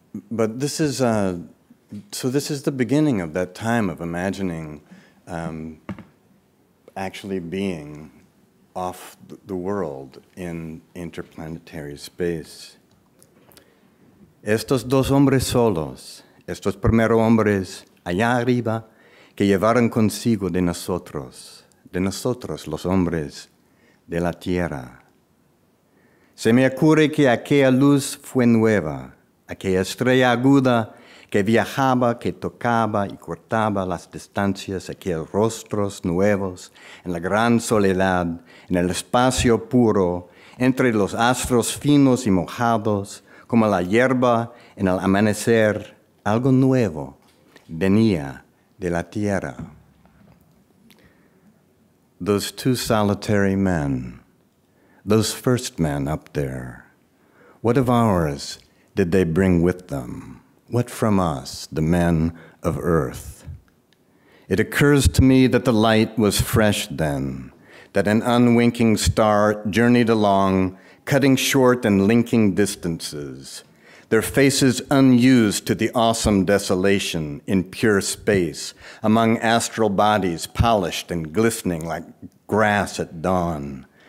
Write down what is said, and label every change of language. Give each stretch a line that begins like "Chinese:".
English: But this is, so this is the beginning of that time of imagining actually being off the world in interplanetary space.
Spanish: Estos dos hombres solos, estos primeros hombres allá arriba que llevaron consigo de nosotros los hombres de la tierra. Se me ocurre que aquella luz fue nueva, aquella estrella aguda que viajaba, que tocaba y cortaba las distancias, aquellos rostros nuevos en la gran soledad, en el espacio puro, entre los astros finos y mojados, como la hierba en el amanecer, algo nuevo venía de la tierra.
English: Those two solitary men, those first men up there, what of ours did they bring with them? What from us, the men of Earth? It occurs to me that the light was fresh then, that an unwinking star journeyed along, cutting short and linking distances, their faces unused to the awesome desolation in pure space, among astral bodies polished and glistening like grass at dawn.